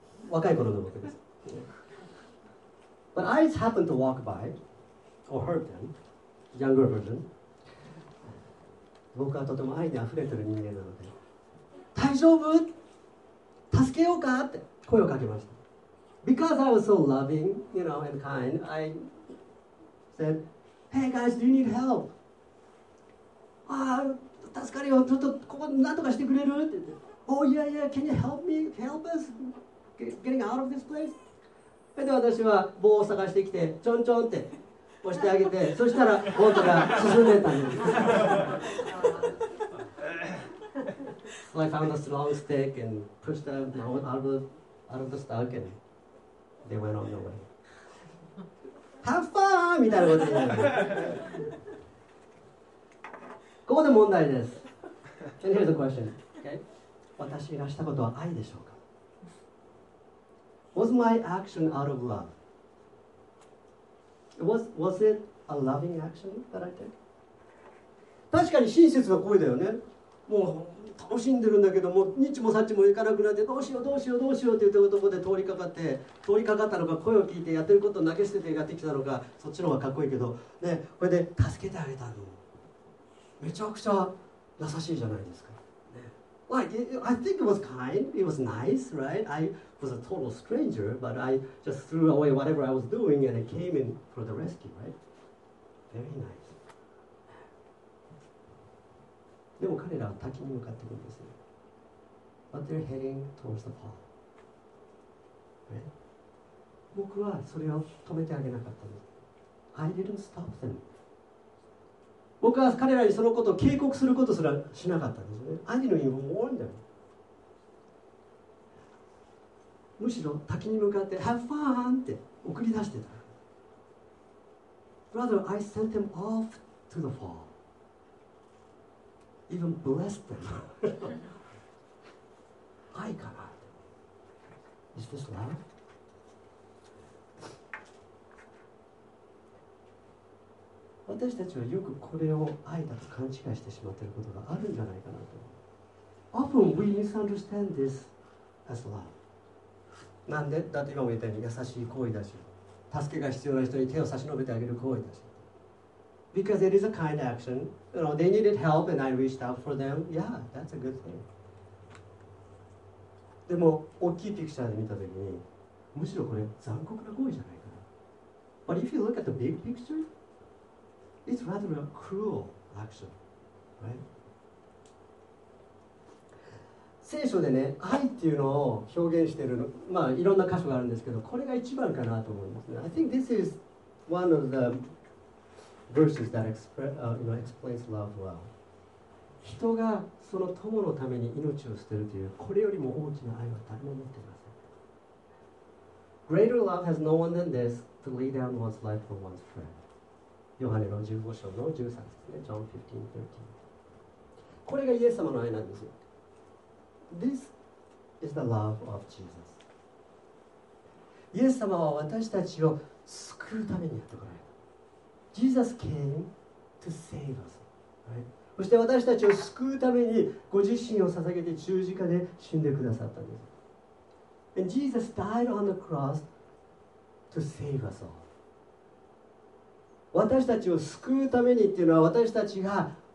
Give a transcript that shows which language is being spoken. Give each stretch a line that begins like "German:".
Japanese: 若い頃の僕です。
English: But I just happened to walk by or heard them, younger version.
Japanese: 僕はとても愛にあふれてる人間なので大丈夫?助けようかって声をかけました。
English: Because I was so loving, you know, and kind, I said, Hey guys, do you need help?
Japanese: ああ、助かるよ、ちょっとここ何とかしてくれるって言って
English: Oh yeah, yeah, can you help me? Help us getting out of this place?
Japanese: で、私は棒を探してきてちょんちょんって押してあげて、そしたらボートが進んでたんです。
English: So I found a strong stick and pushed the boat out of the stock and they went on their way. Have fun!
Japanese: みたいなことになる。ここで問題です。
English: And here's a question. Okay.
Japanese: 私がしたことは愛でしょうか?
English: Was my action out of love? Was it a loving action that I took?
Japanese: 確かに親切な行為だよね。もう楽しんでるんだけど、もう日もさっちも行かなくなって、どうしようどうしようどうしようって言ってるところで通りかかって、通りかかったのか声を聞いてやってることを投げ捨ててやってきたのか、そっちの方がかっこいいけど、ね、これで助けてあげたの。めちゃくちゃ優しいじゃないですか。
English: Like, I think it was kind, it was nice, right? I was a total stranger, but I just threw away whatever I was doing and I came in for the rescue, right? Very nice.
Japanese: でも彼らは滝に向かっていくんですよ。
English: But they're heading towards the fall. Right?
Japanese: 僕はそれを止めてあげなかったんです。
English: I didn't stop them.
Japanese: 僕は彼らにそのことを警告することすらしなかったんですね。
English: I didn't even warn them.
Japanese: むしろ滝に向かって
English: Have fun!
Japanese: って送り出してた。
English: Rather, I sent them off to the fall. Even blessed them.
Japanese: 愛かな?
English: Is this love?
Japanese: 私たちはよくこれを愛だと勘違いしてしまっていることがあるんじゃないかなと。
English: Often we misunderstand this as love.
Japanese: なんで? だって今も言ったように優しい行為だし、助けが必要な人に手を差し伸べてあげる行為だし。
English: Because it is a kind action. You know, they needed help and I reached out for them. Yeah, that's a good thing.
Japanese: でも大きいピクチャーで見たときに、むしろこれ残酷な行為じゃないかな。
English: But if you look at the big picture,It's rather a cruel action, right?
Japanese: 聖書でね、愛っていうのを表現しているの、まあいろんな箇所があるんですけど、これが一番かなと思うんですね。
English: I think this is one of the verses that explains love well.
Japanese: 人がその友のために命を捨てるという、これよりも大きな愛は誰も持っていません。
English: Greater love has no one than this to lay down one's life for one's friend.
Japanese: ヨハネの15章の13節ね、John 15:13。これがイエス様の愛なんですよ。
English: This is the love of Jesus.
Japanese: イエス様は私たちを救うためにやってこられた。
English: Jesus came to save us.、 Right?
Japanese: そして私たちを救うためにご自身を捧げて十字架で死んでくださったんです。
English: And Jesus died on the cross to save us all.
Japanese: 私たちを救うためにっていうのは私たちが